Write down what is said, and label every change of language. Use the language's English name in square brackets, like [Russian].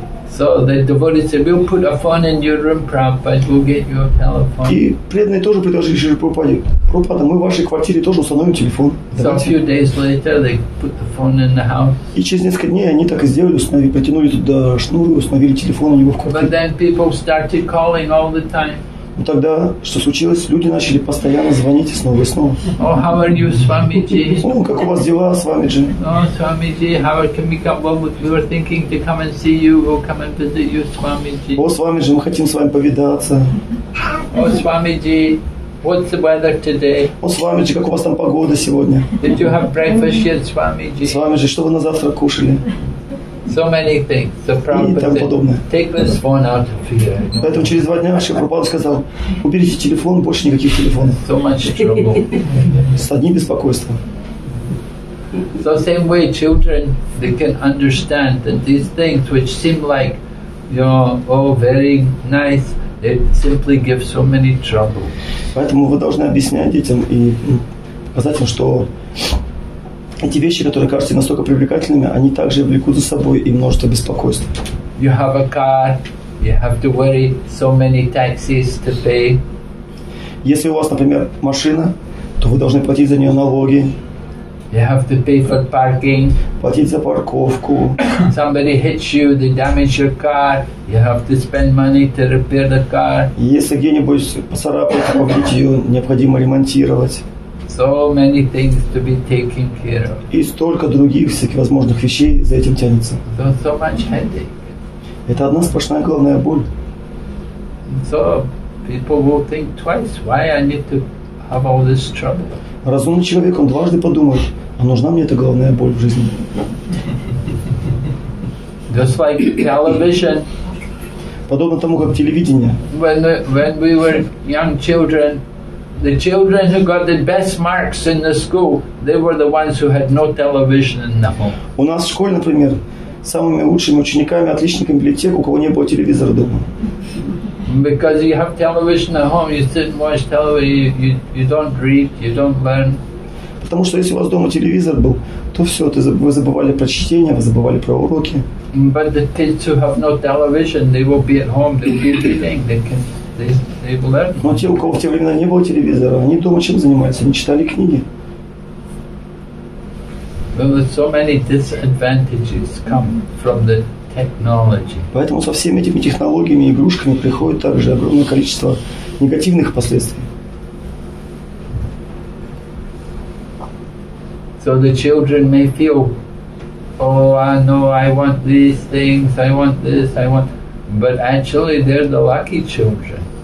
[English] So the devotee said, "We'll put a phone in your room, Prabhupada. We'll get you a telephone." [Russian] И преданные тоже предложили Шриле Прабхупаде: "Прабхупада, мы в вашей квартире тоже установим телефон." Давайте. [English] So a few days later, they put the phone in the house. [Russian] И через несколько дней они так и сделали, установили, протянули туда шнур и установили телефон у него в квартире. [English] But then people started calling all the time. [Russian] Но тогда что случилось? Люди начали постоянно звонить снова и снова. [English] Oh, how are you, Swamiji? [Russian] О, как у вас дела, Свамиджи? [English] Oh, Swamiji, how can we come? Well, we were thinking to come and see you. We'll come and visit you, Swamiji. [Russian] О, Свамиджи, мы хотим с вами повидаться. [English] Oh, Swamiji, what's the weather today? [Russian] О, Свамиджи, как у вас там погода сегодня? [English] Did you have breakfast yet, Swamiji? [Russian] Свамиджи, что вы на завтра кушали? [English] So many things. So Prabhupada, take this phone out of here. [Russian] Поэтому через два дня Шрила Прабхупада сказал: уберите телефон, больше никаких телефонов. [English] So much trouble. [Russian] С одним беспокойством. [English] So same way, children, they can understand that these things, which seem like, you know, oh, very nice, they simply give so many trouble. [Russian] Поэтому вы должны объяснять детям и показать им, что эти вещи, которые кажутся настолько привлекательными, они также влекут за собой и множество беспокойств. [English] You have a car, you have to worry so many taxes to pay. [Russian] Если у вас, например, машина, то вы должны платить за нее налоги. [English] You have to pay for parking. [Russian] Платить за парковку. [English] Somebody hits you, they damage your car. You have to spend money to repair the car. [Russian] Если где-нибудь поцарапать, побить ее, необходимо ремонтировать. [English] So many things to be taken care of. [Russian] И столько других всяких возможных вещей за этим тянется. [English] So, so much headache. [Russian] Это одна сплошная головная боль. [English] So people will think twice, why I need to have all this trouble. [Russian] Разумный человек, он дважды подумает, а нужна мне эта головная боль в жизни? [English] Just like television. [Russian] Подобно тому, как телевидение. [English] When we were young children, the children who got the best marks in the school, they were the ones who had no television in the home. [Russian] У нас в школе, например, самыми лучшими учениками, отличниками были те, у кого не было телевизора дома. [English] Because you have television at home, you sit and watch television, you don't read, you don't learn. [Russian] Потому что если у вас дома телевизор был, то все, вы забывали про чтение, вы забывали про уроки. [English] But the kids who have no television, they will be at home, they will be reading, they can. [Russian] Но те, у кого в те времена не было телевизора, они дома чем занимаются? Они читали книги. [English] Well, so many disadvantages come from the technology. [Russian] Поэтому со всеми этими технологиями и игрушками приходит также огромное количество негативных последствий. [English] So the children may feel, oh, no, I want these things, I want this, I want, but actually they're the lucky children.